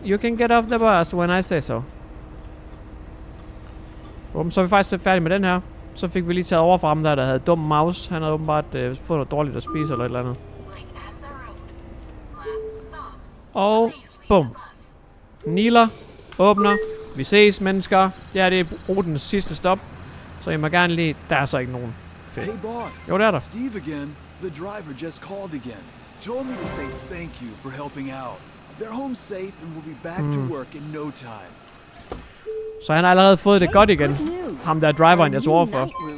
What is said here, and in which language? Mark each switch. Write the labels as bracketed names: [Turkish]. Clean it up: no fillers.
[English] You can get off the bus when I say so. [Danish] Så er vi faktisk færdige med den her. Så fik vi lige taget over fra ham der havde dum mouse. Han havde åbenbart fået noget dårligt at spise eller et eller andet. Og bum. Nila åbner. Vi ses, mennesker. Ja, det er rutens sidste stop. Så jeg må gerne lige... Der er så ikke nogen. [English] Hey boss. [Danish] Jo, det er der. [English] Steve again. The driver just called again. Told me to say thank you for helping out. They're home safe and will be back to work in no time. [Danish] Så han har allerede fået det godt igen. Ham der driveren, jeg tog over for.